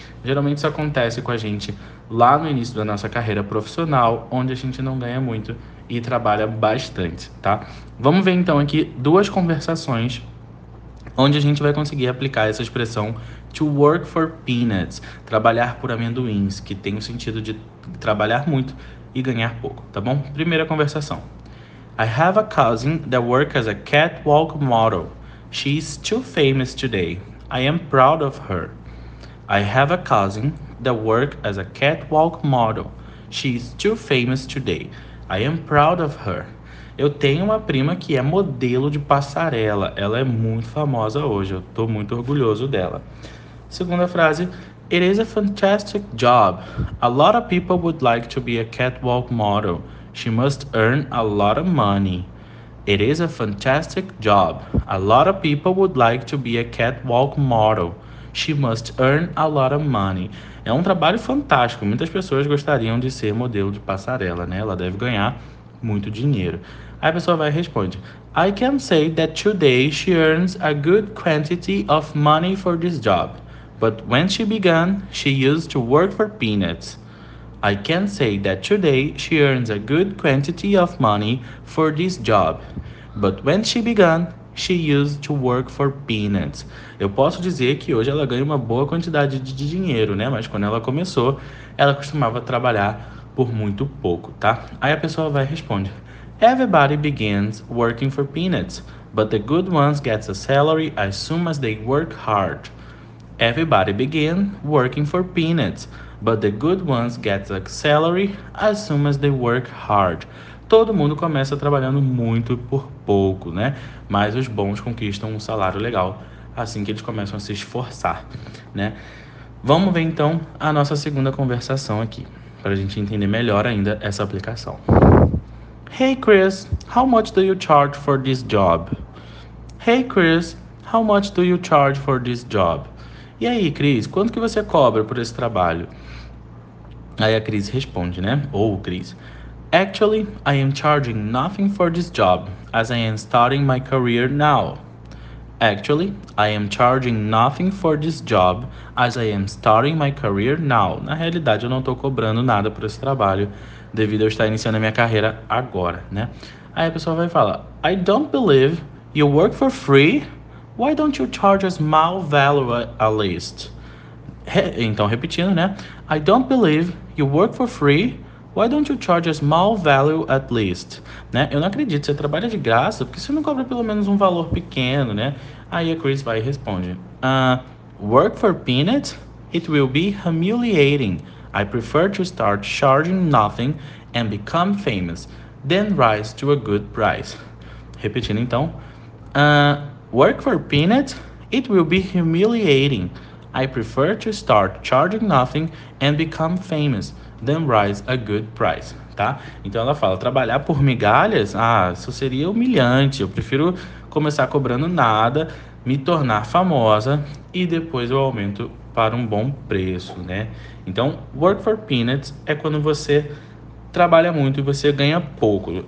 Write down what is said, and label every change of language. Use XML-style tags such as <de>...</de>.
<pt>Geralmente isso acontece com a gente lá no início da nossa carreira profissional, onde a gente não ganha muito e trabalha bastante, tá? Vamos ver então aqui duas conversações onde a gente vai conseguir aplicar essa expressão</pt> <en>to work for peanuts,</en> <pt>trabalhar por amendoins, que tem o sentido de trabalhar muito e ganhar pouco, tá bom? Primeira conversação.</pt> <en>I have a cousin that works as a catwalk model. She is too famous today. I am proud of her. I have a cousin that works as a catwalk model. She is too famous today. I am proud of her.</en> <pt>Eu tenho uma prima que é modelo de passarela. Ela é muito famosa hoje. Eu estou muito orgulhoso dela. Segunda frase.</pt> <en>It is a fantastic job. A lot of people would like to be a catwalk model. She must earn a lot of money. It is a fantastic job. A lot of people would like to be a catwalk model. She must earn a lot of money.</en> <pt>É um trabalho fantástico. Muitas pessoas gostariam de ser modelo de passarela, né? Ela deve ganhar muito dinheiro. Aí a pessoa vai e responde:</pt> <en>I can say that today she earns a good quantity of money for this job. But when she began, she used to work for peanuts. I can say that today she earns a good quantity of money for this job. But when she began, she used to work for peanuts.</en> <pt>Eu posso dizer que hoje ela ganha uma boa quantidade de dinheiro, né? Mas quando ela começou, ela costumava trabalhar por muito pouco, tá? Aí a pessoa vai responder:</pt> <en>Everybody begins working for peanuts, but the good ones get a salary as soon as they work hard. Everybody begins working for peanuts. But the good ones get a salary as soon as they work hard.</en> <pt>Todo mundo começa trabalhando muito por pouco, né? Mas os bons conquistam um salário legal assim que eles começam a se esforçar, né? Vamos ver então a nossa segunda conversação aqui, para a gente entender melhor ainda essa aplicação.</pt> <en>Hey Chris, how much do you charge for this job? Hey Chris, how much do you charge for this job?</en> <pt>E aí, Chris, quanto que você cobra por esse trabalho? Aí a Cris responde, né? Ou o Cris.</pt> <en>Actually, I am charging nothing for this job, as I am starting my career now. Actually, I am charging nothing for this job, as I am starting my career now.</en> <pt>Na realidade, eu não estou cobrando nada por esse trabalho, devido a eu estar iniciando a minha carreira agora, né? Aí a pessoa vai falar:</pt> <en>I don't believe you work for free. Why don't you charge a small value at least?</en> <pt>Então, repetindo, né?</pt> <en>I don't believe you work for free. Why don't you charge a small value at least?</en> <pt>Né? Eu não acredito, você trabalha de graça, porque você não cobra pelo menos um valor pequeno, né? Aí a Chris vai e responde:</pt> <en>Work for peanuts? It will be humiliating. I prefer to start charging nothing and become famous, then rise to a good price.</en> <pt>Repetindo então:</pt> <en>Work for peanuts? It will be humiliating. I prefer to start charging nothing and become famous, then rise a good price, tá?</en> <pt>Então ela fala, trabalhar por migalhas, ah, isso seria humilhante. Eu prefiro começar cobrando nada, me tornar famosa e depois eu aumento para um bom preço, né? Então,</pt> <en>work for peanuts</en> <pt>é quando você trabalha muito e você ganha pouco.</pt>